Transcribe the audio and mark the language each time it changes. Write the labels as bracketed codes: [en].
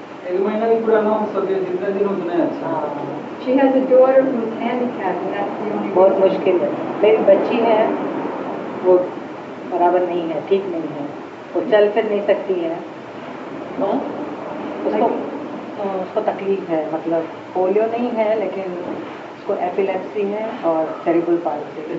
[hi] एक महीना भी पूरा ना हो सके जितने दिन उतने अच्छा. [en] She has a daughter who's handicapped, and that's the only. [hi] बहुत मुश्किल है. मेरी बच्ची है वो बराबर नहीं है, ठीक नहीं है, वो चल फिर नहीं सकती है. उसको तकलीफ है, मतलब पोलियो नहीं है लेकिन उसको एपिलेप्सी है और सेरेब्रल पाल्सी.